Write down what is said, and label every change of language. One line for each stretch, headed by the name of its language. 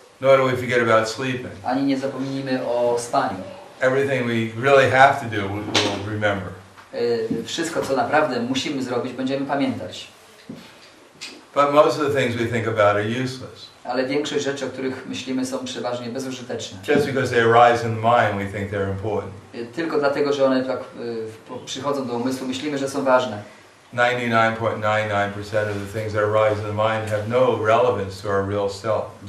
English: Nor do we forget about sleeping.
Polish: Ani nie zapomnimy o spaniu.
English: Everything we really have to do, we'll remember.
Polish: Wszystko, co naprawdę musimy zrobić, będziemy pamiętać.
English: But most of the things we think about are useless.
Polish: Ale większość rzeczy, o których myślimy, są przeważnie bezużyteczne.
English: Just because they arise in the mind, we think they're important.
Polish: Tylko dlatego, że one tak przychodzą do umysłu, myślimy, że są ważne.
English: 99.99% of the things that arise in the mind have no relevance to our real self.